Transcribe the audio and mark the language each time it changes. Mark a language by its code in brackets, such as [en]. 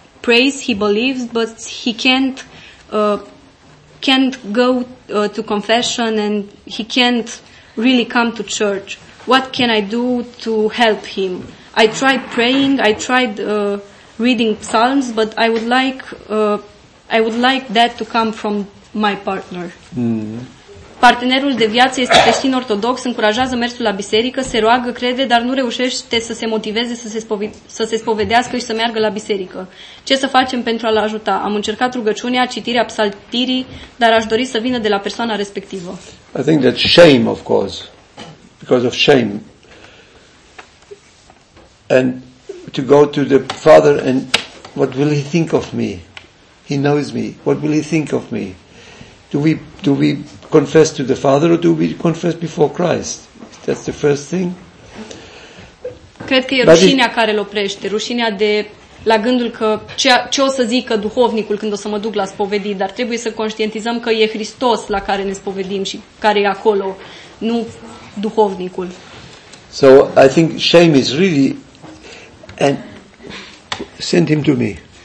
[en] prays, he believes, but he can't go to confession, and he can't really come to church. What can I do to help him? I tried praying, I tried reading psalms, but I would like that to come from my partner. Mm-hmm. [ro] Partenerul de viață este creștin ortodox, încurajează mersul la biserică, se roagă, crede, dar nu reușește să se motiveze să se spovedească și să meargă la biserică. Ce să facem pentru a-l ajuta? Am încercat rugăciunea, citirea psaltirii, dar aș dori să vină de la persoana respectivă. [en] I think that shame, of course, because of shame. And to go to the father and what will he think of me? He knows me. What will he think of me? Do we confess to the Father or do we confess before Christ? That's the first thing. [ro] Cred că e rușinea care îl oprește, rușinea de la gândul că ce o să zică duhovnicul când o să mă duc la spovedit, dar trebuie să conștientizăm că e Hristos la care ne spovedim și care e acolo, nu duhovnicul. [en] So I think shame is really, and send him to me.